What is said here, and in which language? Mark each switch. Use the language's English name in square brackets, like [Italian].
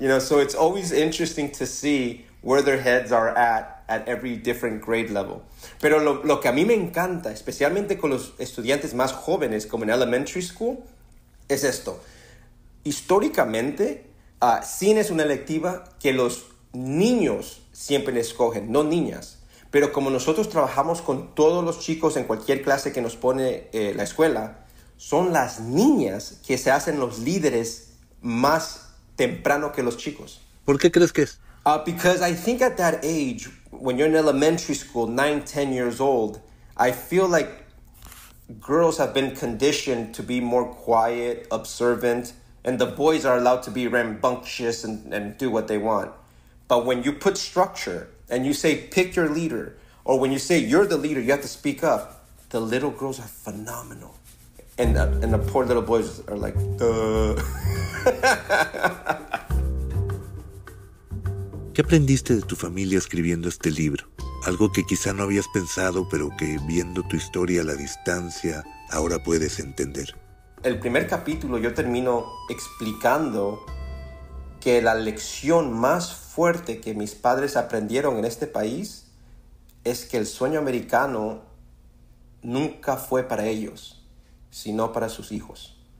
[English] You know, so it's always interesting to see where their heads are at every different grade level. [Spanish] Pero lo que a mí me encanta, especialmente con los estudiantes más jóvenes, como en elementary school, es esto. Históricamente, cine es una electiva que los niños siempre escogen, no niñas. Pero como nosotros trabajamos con todos los chicos en cualquier clase que nos pone la escuela, son las niñas que se hacen los líderes más temprano que los chicos. ¿Por qué crees que es? [English] Because I think at that age, when you're in elementary school, 9, 10 years old, I feel like girls have been conditioned to be more quiet, observant, and the boys are allowed to be rambunctious and do what they want. But when you put structure and you say, pick your leader, or when you say you're the leader, you have to speak up, the little girls are phenomenal. And the poor little boys are like, duh. [Spanish] ¿Qué aprendiste de tu familia escribiendo este libro? Algo que quizá no habías pensado, pero que viendo tu historia a la distancia, ahora puedes entender. El primer capítulo yo termino explicando que la lección más fuerte que mis padres aprendieron en este país es que el sueño americano nunca fue para ellos, sino para sus hijos.